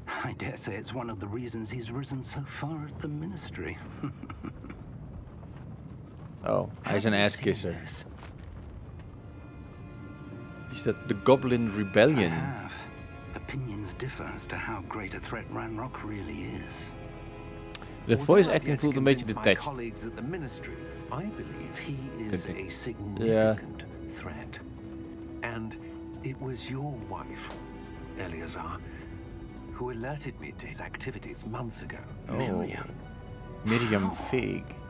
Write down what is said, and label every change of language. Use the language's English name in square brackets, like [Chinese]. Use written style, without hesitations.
[English] I dare say it's one of the reasons he's risen so far at the ministry. [Dutch] Oh, hij is een asskisser. Is dat de Goblin Rebellion? [English] I have. Opinions differ as to how great a threat Ranrock really is. [Dutch] De voice acting voelt een beetje detached. [English] At the ministry, I believe he is a significant threat. And it was your wife, Eleazar. Who alerted me to his activities months ago. Miriam. Miriam Fig.